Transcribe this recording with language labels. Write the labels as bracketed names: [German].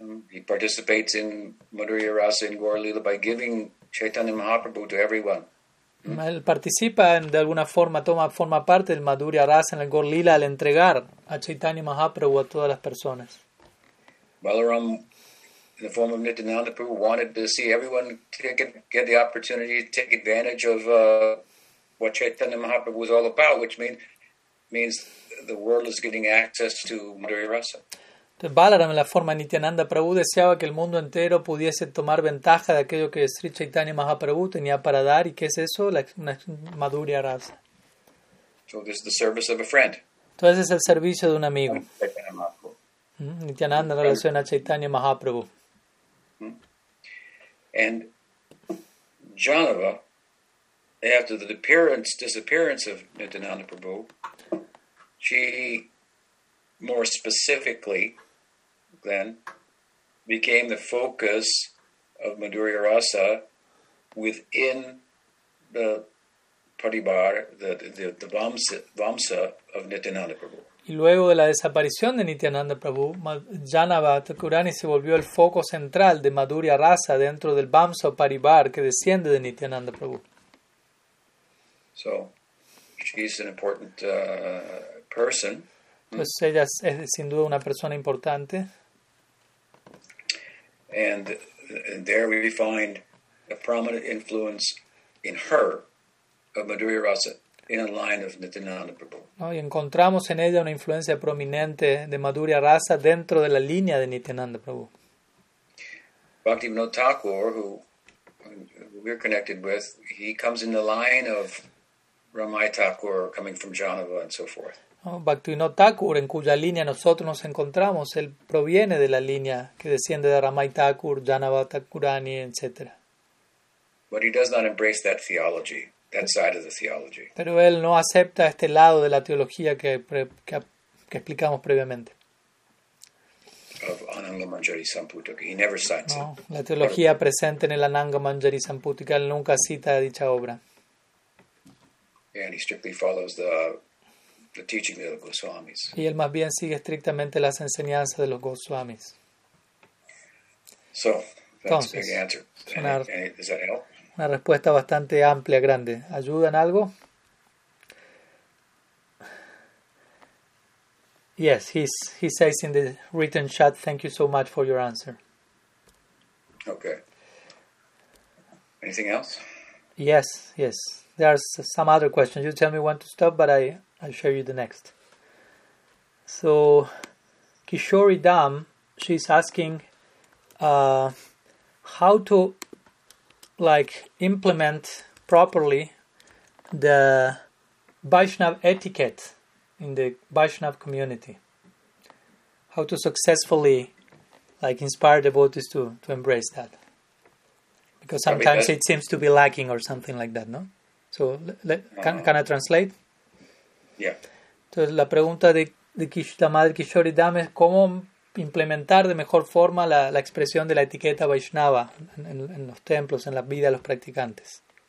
[English] He participates in Madhurya Rasa in Gaura Lila by giving Chaitanya Mahaprabhu to everyone. [Spanish] Él participa de alguna forma, forma parte del Madhurya Rasa en el Gaura Lila al entregar a Chaitanya Mahaprabhu a todas las personas. [English] Balaram, in the form of Nityananda Prabhu, wanted to see everyone get the opportunity to take advantage of what Chaitanya Mahaprabhu was all about, which means the world is getting access to Madhurya Rasa. [Spanish] Balaram, en la forma de Nityananda Prabhu, deseaba que el mundo entero pudiese tomar ventaja de aquello que Sri Chaitanya Mahaprabhu tenía para dar, y ¿qué es eso? Una Madhurya Rasa. [English] So this is the service of a friend. [Spanish] Entonces es el servicio de un amigo. Nityananda en relación a Chaitanya Mahaprabhu. [English] And Janava, after the disappearance of Nityananda Prabhu, she more specifically then became the focus of Madhurya Rasa within the Paribar, the Vamsa of Nityananda Prabhu. [Spanish] Y luego de la desaparición de Nityananda Prabhu, Janava Thakurani se volvió el foco central de Madhurya Rasa dentro del Vamsa Paribar que desciende de Nityananda Prabhu. [English] So, she's an important person. [Spanish] Entonces ella es sin duda una persona importante. [English] And there we find a prominent influence in her of Madhurya Rasa in a line of Nityananda Prabhu. [Spanish] No, y encontramos en ella una influencia prominente de Madhurya Rasa dentro de la línea de Nityananda Prabhu. [English] Bhaktivinoda Thakur, who we're connected with, he comes in the line of Ramai Thakur coming from Janava and so forth. [Spanish] Bhaktivinoda Thakur, en cuya línea nosotros nos encontramos, él proviene de la línea que desciende de Ramai Thakur, Janava Thakurani, etc. [English] But he does not embrace that theology, that side of the theology. [Spanish] Pero él no acepta este lado de la teología que explicamos previamente. [English] Of Ananga Manjari Samputika, he never cites it. [Spanish] La teología presente en el Ananga Manjari Samputika, él nunca cita dicha obra. [English] And he strictly follows the teaching of the Goswamis. [Spanish] Y él más bien sigue estrictamente las enseñanzas de los Goswamis. [English] So, that's a big answer. Does that help? [Spanish] Una respuesta bastante amplia, grande. ¿Ayuda en algo? [English] Yes, he says in the written chat, thank you so much for your answer. Okay. Anything else? Yes. There are some other questions. You tell me when to stop, but I'll show you the next. So, Kishori Dam, she's asking how to implement properly the Vaishnav etiquette in the Vaishnav community. How to successfully inspire devotees to embrace that. Because sometimes it seems to be lacking or something like that, no? So, can I translate? [Spanish] Entonces la pregunta de la madre Kishori Dam es cómo implementar de mejor forma la expresión de la etiqueta Vaishnava en los templos, en la vida de los practicantes.